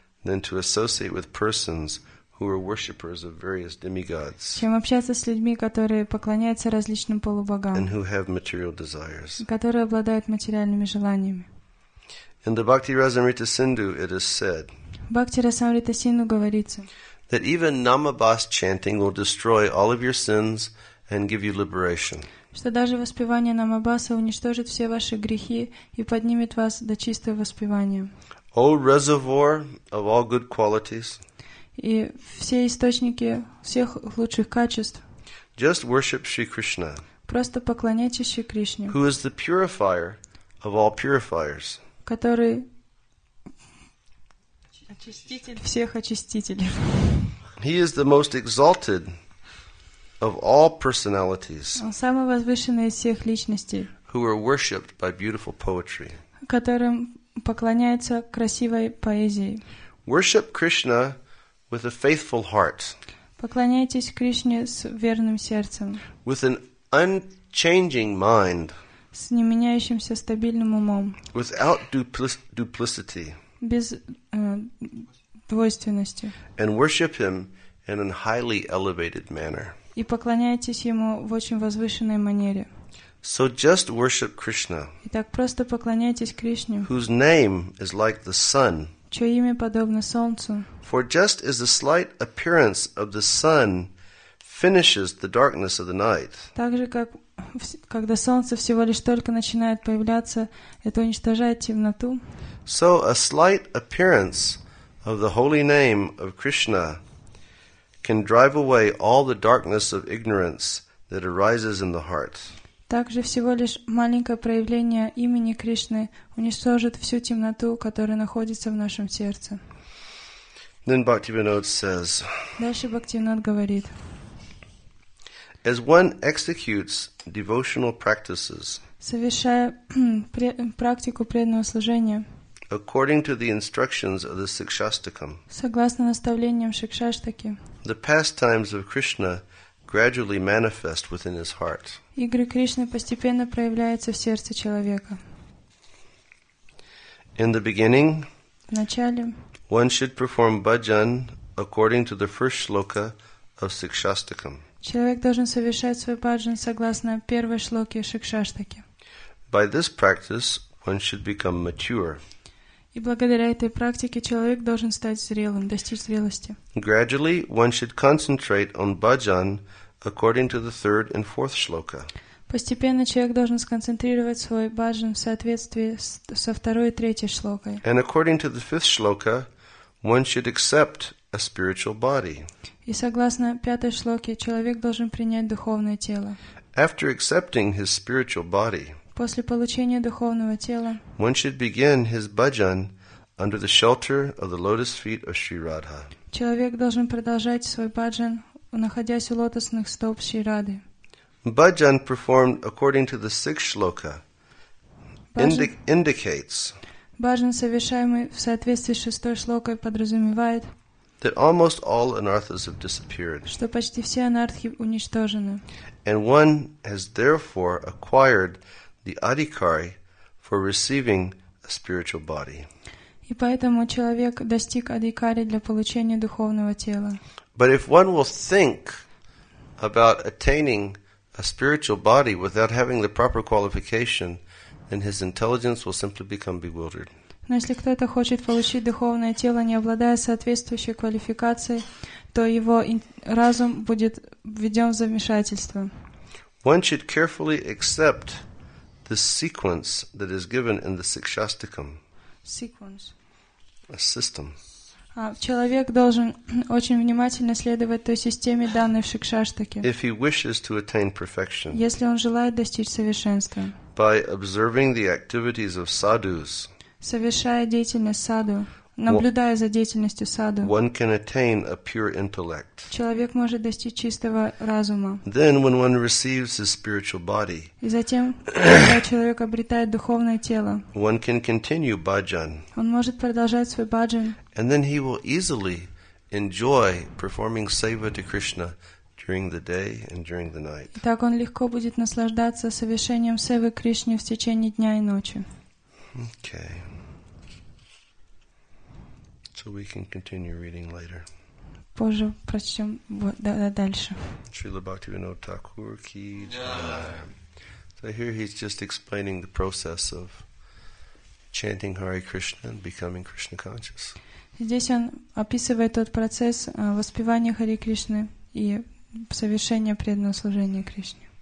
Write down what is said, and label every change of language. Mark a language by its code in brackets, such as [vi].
[en] Than to associate with persons who are worshippers of various demigods. [ru] Чем общаться с людьми, которые поклоняются различным полубогам. [en] And who have material desires. [ru] Которые обладают материальными желаниями. [en] In the Bhakti Rasamrita Sindhu it is said. [ru] Bhakti Rasamrita Sindhu говорится. [en] That even Namabas chanting will destroy all of your sins and give you liberation. [ru] Что даже воспевание Намабаса уничтожит все ваши грехи и поднимет вас до чистого воспевания. [en] O reservoir of all good qualities. [ru] И все источники всех лучших качеств. [en] Just worship Shri Krishna. [ru] Просто поклоняйтесь Шри Кришне. [en] Who is the purifier of all purifiers. [ru] Который очиститель всех очистителей. [en] He is the most exalted of all personalities. [ru] Он самый возвышенный из всех личностей. [en] Who are worshipped by beautiful poetry. [ru] Которым поклоняется красивой поэзией. [en] Worship Krishna with a faithful heart. [ru] Поклоняйтесь Кришне с верным сердцем. [en] With an unchanging mind. [ru] С неменяющимся стабильным умом. [en] Without duplicity. [ru] Без двойственности. [en] And worship him in a highly elevated manner. [ru] И поклоняйтесь ему в очень возвышенной манере. [en] So just worship Krishna. [ru] Итак, просто поклоняйтесь Кришне. [en] Whose name is like the sun. [ru] Чье имя подобно солнцу. [en] For just as the slight appearance of the sun finishes the darkness of the night. [ru] Так же, как когда солнце всего лишь только начинает появляться, это уничтожает темноту. [en] So a slight appearance of the holy name of Krishna can drive away all the darkness of ignorance that arises in the heart. [ru] Также всего лишь маленькое проявление имени Кришны уничтожит всю темноту, которая находится в нашем сердце. [en] Then Bhaktivinoda says. [ru] Дальше Бхактивинод говорит. [en] As one executes devotional practices, [ru] совершая практику преданного служения, [en] according to the instructions of the Sikshastakam, [ru] согласно наставлениям Шикшаштаки, [en] the pastimes of Krishna gradually manifest within his heart. [ru] Игры Кришны постепенно проявляются в сердце человека. [en] In the beginning, [ru] в начале, [en] one should perform bhajan according to the first shloka of Sikshastakam. [ru] Человек должен совершать свой баджан согласно первой шлоке Шикшаштаки. [en] By this practice, one should become mature. [ru] И благодаря этой практике человек должен стать зрелым, достичь зрелости. [en] Gradually, one should concentrate on bhajan according to the third and fourth shloka. [ru] Постепенно человек должен сконцентрировать свой баджан в соответствии со второй и третьей шлокой. [en] And according to the fifth shloka, one should accept a spiritual body. [ru] И согласно пятой шлоке, человек должен принять духовное тело. [en] After accepting his spiritual body, [ru] после получения духовного тела, [en] one should begin his bhajan under the shelter of the lotus feet of Sri Radha. [ru] Человек должен продолжать свой баджан, находясь у лотосных стоп Шри Рады. [en] Bhajan performed according to the sixth shloka indicates [ru] bhajan, совершаемый в соответствии с шестой шлокой, подразумевает [en] that almost all anarthas have disappeared, [ru] что почти все анартхи уничтожены, [en] and one has therefore acquired the adhikari for receiving a spiritual body. [ru] И поэтому человек достиг адхикари для получения духовного тела. [en] But if one will think about attaining a spiritual body without having the proper qualification, then his intelligence will simply become bewildered. [ru] Но если кто-то хочет получить духовное тело, не обладая соответствующей квалификацией, то его разум будет введен в замешательство. [en] One should carefully accept the sequence that is given in the Sikshastakam. Sequence. A system. [ru] Человек должен очень внимательно следовать той системе, данной в Шикшаштаке. [en] If he wishes to attain perfection. [ru] Если он желает достичь совершенства. [en] By observing the activities of sadhus. [ru] Совершая деятельность саду, наблюдая за деятельностью саду, [en] one can attain a pure intellect. [ru] Человек может достичь чистого разума. [en] Then, when one receives his spiritual body, [ru] и затем, когда человек обретает духовное тело, [en] one can continue bhajan. [ru] Он может продолжать свой баджан. [en] And then he will easily enjoy performing seva to Krishna during the day and during the night. [ru] И так он легко будет наслаждаться совершением севы Кришне в течение дня и ночи. [en] Okay. So we can continue reading later. [ru] Позже прочтем дальше. [en] Srila Bhaktivinoda Thakur ki jai. So here he's just explaining the process of chanting Hare Krishna and becoming Krishna conscious. [ru] Здесь он описывает тот процесс воспевания Хари Кришны и совершения преданного служения Кришне.